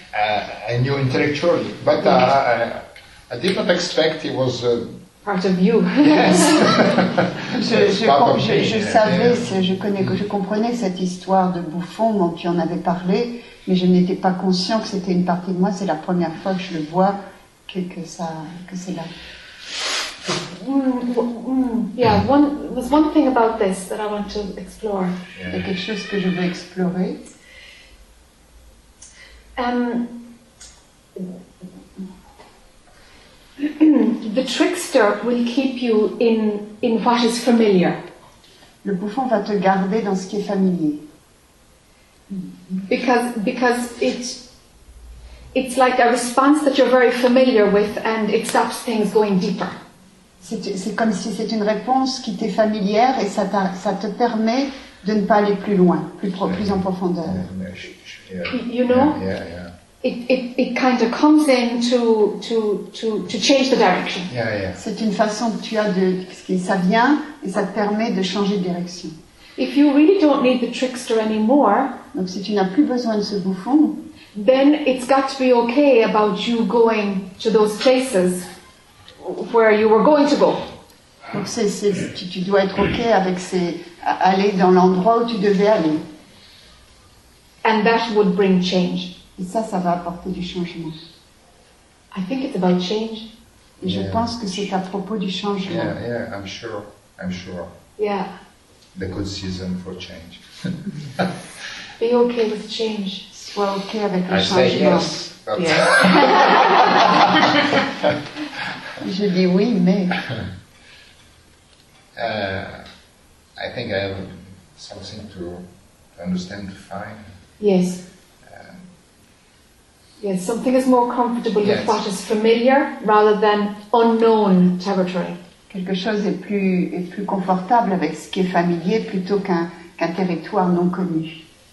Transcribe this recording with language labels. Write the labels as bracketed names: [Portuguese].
[English] I knew intellectually, but I did not expect it was part of you. Yes. [French] Je comprenais cette histoire de Buffon dont tu en avais parlé, mais je n'étais pas conscient que c'était une partie de moi. C'est la première fois que je le vois que c'est là. [English] There's one thing about this that I want to explore. [French] Yeah. Quelque chose que je veux explorer. [English] The trickster will keep you in what is familiar. [French] Le bouffon va te garder dans ce qui est familier. [English] Because it's like a response that you're very familiar with, and it stops things going deeper. [French] C'est comme si c'est une réponse qui t'est familière et ça te permet de ne pas aller plus loin, plus en profondeur. [English] You know, it kind of comes in to change the direction. Yeah, yeah. [French] C'est une façon que tu as de, ça vient et ça te permet de changer de direction. [English] If you really don't need the trickster anymore, [French] donc si tu n'as plus besoin de ce bouffon, [English] then it's got to be okay about you going to those places where you were going to go. [French] Donc tu dois être ok avec aller dans l'endroit où tu devais aller. [English] And that would bring change. [French] Et ça va apporter du changement. [English] I think it's about change. [French] Et je pense que c'est à propos du changement. [English] Yeah, I'm sure. Yeah. The good season for change. Be okay with change. [French] Sois ok avec le [English] I [French] changement. [English] Say yes. [French] Je dis oui, mais. [English] I think I have something to understand to find. Yes. Yes, something is more comfortable with what is familiar rather than unknown territory. [French] Quelque chose est plus confortable avec ce qui est familier plutôt qu'un territoire non connu.